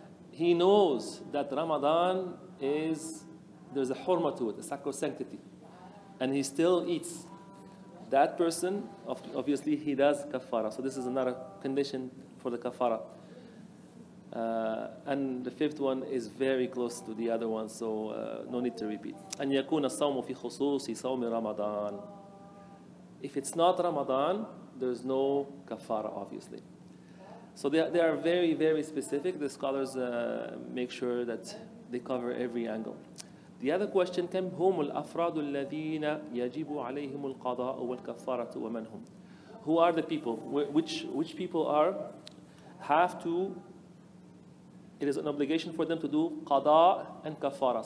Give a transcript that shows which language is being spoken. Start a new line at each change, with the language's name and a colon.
English: He knows that Ramadan is, there's a hurma to it, a sacrosanctity, and he still eats. That person, obviously, he does kafara. So this is another condition for the kafara. And the fifth one is very close to the other one, so no need to repeat.
Arabic: أن يكون الصوم في خصوص صوم رمضان.
English: If it's not Ramadan, there's no kafara, obviously. So they are very, very specific. The scholars make sure that they cover every angle. The other question,
Arabic: كم هم الأفراد الذين يجب عليهم القضاء والكفارة ومن هم?
English: Who are the people? Which people are, have to, it is an obligation for them to do قضاء and كفارة.